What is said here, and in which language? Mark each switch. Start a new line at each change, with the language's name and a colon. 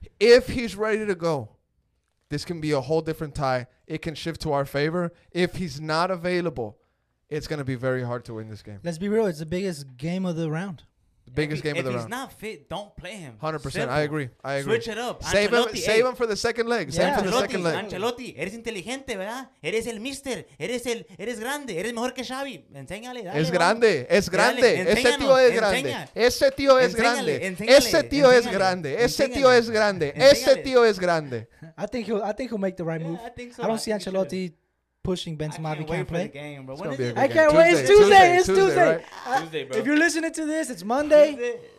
English: If he's ready to go, this can be a whole different tie. It can shift to our favor. If he's not available, it's going to be very hard to win this game. Let's be real. It's the biggest game of the round. Biggest game of the round. If he's not fit, don't play him. 100%. Simple. I agree. Switch it up. Save him for the second leg. Yeah. Save him for the second leg.
Spanish: Ancelotti, eres inteligente, ¿verdad? Eres el mister. Eres grande. Eres mejor que Xavi. Enséñale. Dale, es grande. Es grande. Ese tío es grande. Ese tío es grande. Ese tío es grande. Ese tío es grande. Ese tío es grande.
English: I think he'll make the right move. Yeah, I think so. I don't see Ancelotti pushing Ben Samavi can't play. The game, bro. It's gonna be a good game. I can't wait. It's Tuesday. It's Tuesday. Tuesday, bro. If you're listening to this, it's Monday.